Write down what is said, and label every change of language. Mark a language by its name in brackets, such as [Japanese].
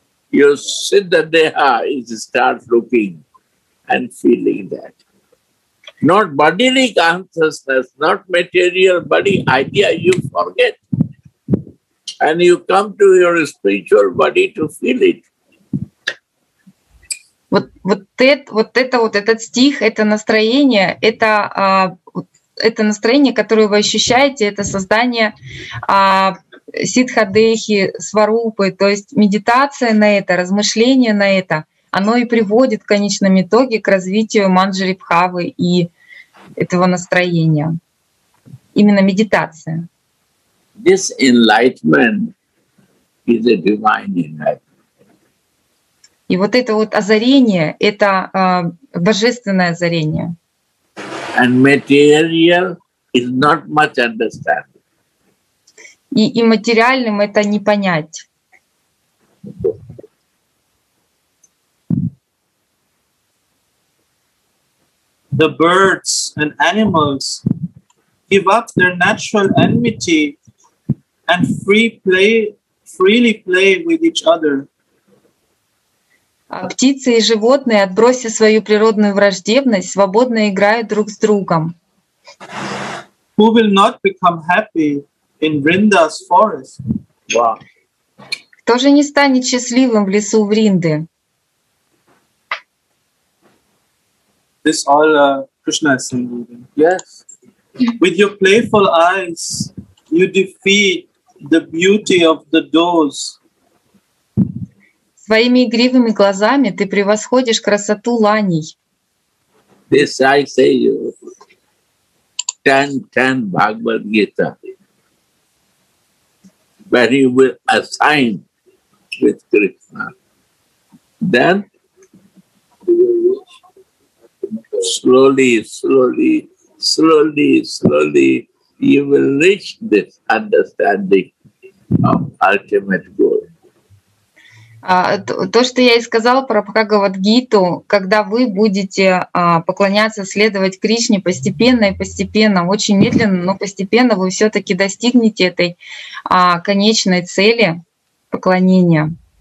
[English] Your Siddha Deha is start looking and feeling that. Not bodily consciousness, not material body idea, you forget. And you come to your spiritual body to feel it. [Russian] Вот этот стих, это настроение, это настроение, которое вы ощущаете, это создание сиддхадехи, сварупы, то есть медитация на это, размышление на это, оно и приводит в конечном итоге к развитию манджари-бхавы и этого настроения. Именно медитация. [English] This enlightenment is a divine enlightenment. [Russian] И вот это вот озарение, это божественное озарение. [English] And material is not much understanding. [Russian] И материальным это не понять. [English] The birds and animals give up their natural enmity and freely play with each other. [Russian] Птицы и животные, отбросив свою природную враждебность, свободно играют друг с другом. [English] Who will not become happy in Vrinda's forest? Wow. [Russian] Кто же не станет счастливым в лесу Вринды? [English] This all Krishna is saying. Yes. With your playful eyes, you defeat the beauty of the doors. [Russian] Своими игривыми глазами ты превосходишь красоту ланей. [English] This I say you. 10-10 Bhagavad Gita. Where you will assign with Krishna. Then slowly, slowly, slowly, slowly you will reach this understanding of ultimate goal. [Russian] То, что я и сказала про Бхагавадгиту, когда вы будете поклоняться, следовать Кришне постепенно и постепенно, очень медленно, но постепенно вы все-таки достигнете этой конечной цели поклонения.